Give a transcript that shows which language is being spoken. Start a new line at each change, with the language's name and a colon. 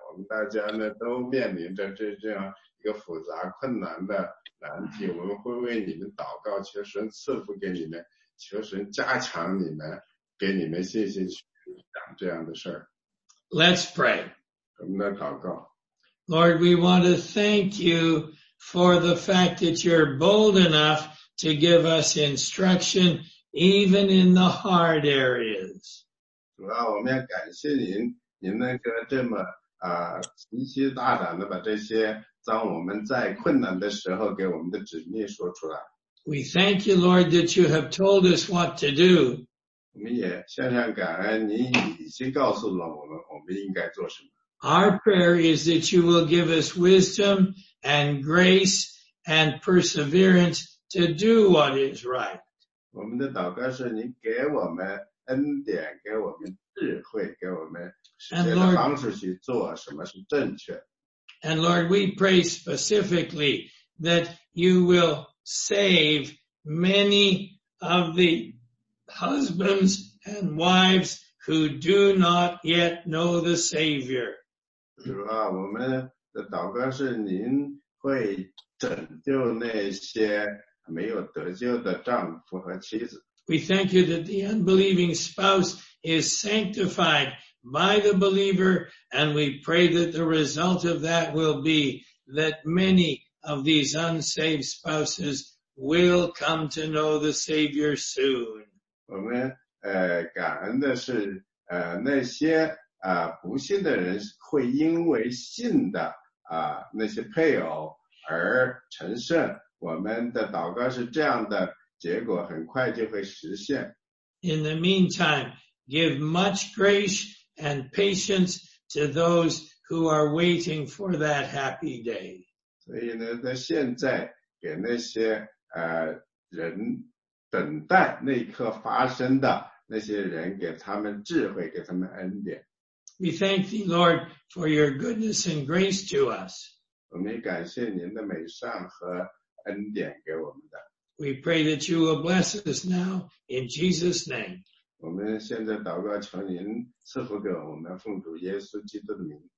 Chinese: 我们大家呢都面临着这样。一个复杂困难的难题，我们会为你们祷告，求神赐福给你们，求神加强你们，给你们信心去讲这样的事儿。
English: Let's pray.
Chinese: 我们来祷告。
English: Lord, we want to thank you for the fact that you're bold enough to give us instruction even in the hard areas.
Chinese: 主啊，我们要感谢您，您那个这么极其大胆的把这些。当我们在困难的时候给我们的指令说出来。
English: We thank you, Lord, that you have told us what to do.
Chinese: 我们也向上感恩您已经告诉了我们我们应该做什么。
English: Our prayer is that you will give us wisdom and grace and perseverance to do what is right.
Chinese: 我们的祷告是您给我们恩典给我们智慧给我们实际的方式去做什么是正确。
English: And Lord, we pray specifically that you will save many of the husbands and wives who do not yet know the Savior.
Chinese: 主啊，我们的祷告是您会拯救那些没有得救的丈夫和妻子。
English: We thank you that the unbelieving spouse is sanctified by the believer, and we pray that the result of that will be that many of these unsaved spouses will come to know the Savior soon.
Chinese: 我们感恩的是那些不信的人会因为信的那些配偶而成圣。我们的祷告是这样的，结果很快就会实现。
English: In the meantime, give much grace and patience to those who are waiting for that happy day.
Chinese: 所以呢，在现在给那些人等待那一刻发生的那些人，给他们智慧，给他们恩典。
English: We thank thee, Lord, for your goodness and grace to us.
Chinese: 我们感谢您的美善和恩典给我们的。
English: We pray that you will bless us now in Jesus' name.
Chinese: 我们现在祷告，求您赐福给我们，奉主耶稣基督的名。